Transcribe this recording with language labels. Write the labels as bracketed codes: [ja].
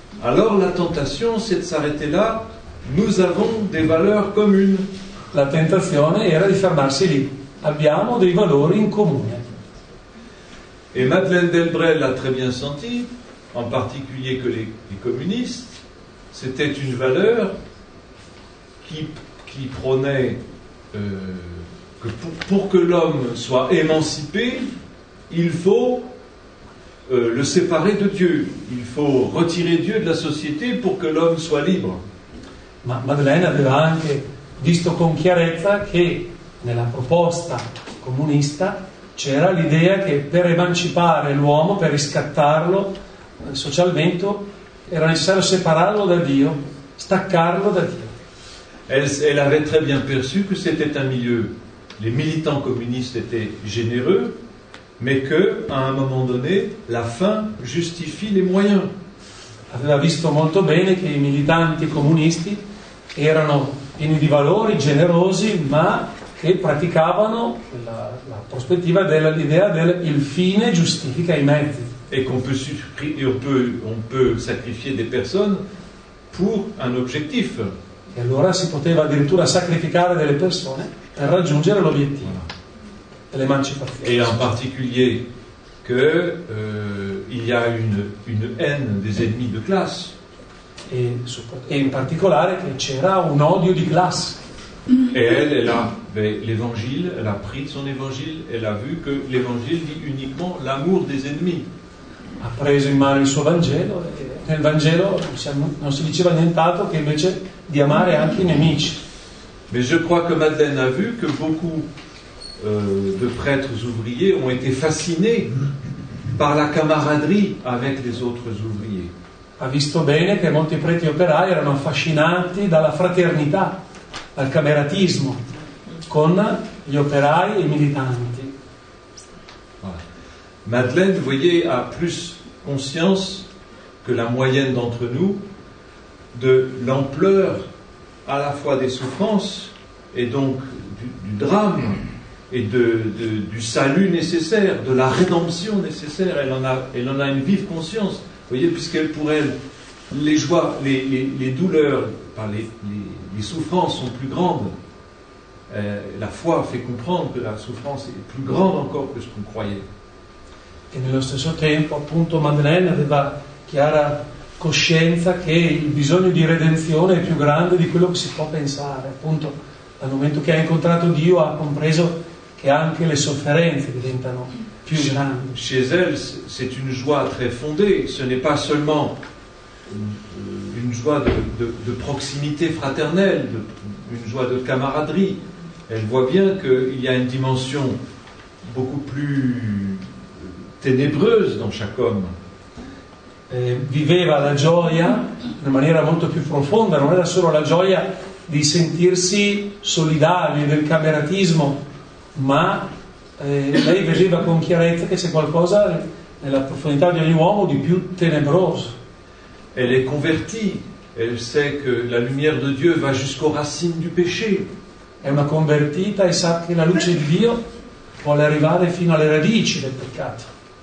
[fr] Alors la tentation c'est de s'arrêter là, nous avons des valeurs communes. [it] La tentazione era di fermarsi lì, abbiamo dei valori in comune. [fr] Et Madeleine Delbrel l'a très bien senti, en particulier que les communistes, c'était une valeur qui prônait que pour que l'homme soit émancipé, il faut le séparer de Dieu, il faut retirer Dieu de la société pour que l'homme soit libre. [it] Ma Madeleine aveva anche visto con chiarezza che nella proposta comunista c'era l'idea che per emancipare l'uomo, per riscattarlo socialmente, era necessario separarlo da Dio, staccarlo da Dio. [fr] Elle avait très bien perçu que c'était un milieu, les militants communistes étaient généreux, mais que à un moment donné la fin justifie les moyens. [it] Aveva visto molto bene che i militanti comunisti erano pieni di valori, generosi, ma che praticavano la prospettiva dell'idea del il fine giustifica i mezzi. [fr] Et qu'on peut sacrifier des personnes pour un objectif. [it] E allora si poteva addirittura sacrificare delle persone per raggiungere l'obiettivo dell'emancipazione. [fr] Et en particulier que il y a une haine des ennemis de classe. [it] E in particolare che c'era un odio di classe. [fr] Et elle a l'évangile, elle a pris son évangile, elle a vu que l'évangile dit uniquement l'amour des ennemis. [it] Ha preso in mano il suo Vangelo e nel Vangelo non si diceva nient'altro che invece di amare anche i nemici. [fr] Mais je crois que Madeleine a vu que beaucoup de prêtres ouvriers ont été fascinés par la camaraderie avec les autres ouvriers. [it] Ha visto bene che molti preti operai erano affascinati dalla fraternità, dal cameratismo con gli operai e i militanti. [fr] Madeleine, voyez, a plus conscience que la moyenne d'entre nous de l'ampleur à la fois des souffrances et donc du drame et du salut nécessaire, de la rédemption nécessaire. Elle en a une vive conscience. Vous voyez, puisqu'elle, pour elle, les joies, les douleurs, enfin les souffrances sont plus grandes. La foi fait comprendre que la souffrance est plus grande encore que ce qu'on croyait. [it] E nello stesso tempo, appunto, Madeleine aveva chiara coscienza che il bisogno di redenzione è più grande di quello che si può pensare. Appunto, dal momento che ha incontrato Dio, ha compreso che anche le sofferenze diventano più grandi. [fr] Chez elle, c'est une joie très fondée. Ce n'est pas seulement une joie de proximité fraternelle, une joie de camaraderie. Elle voit bien qu'il y a une dimension beaucoup plus ténébreuse dans chaque homme. [it] Viveva la gioia in maniera molto più profonda, non era solo la gioia di sentirsi solidali del cameratismo, ma lei vedeva con chiarezza che c'è qualcosa nella profondità di ogni uomo di più tenebroso. [fr] Elle est convertie, elle sait que la lumière de Dieu va jusqu'aux racines du péché. [it] È una convertita e sa che la luce di Dio vuole arrivare fino alle radici del peccato.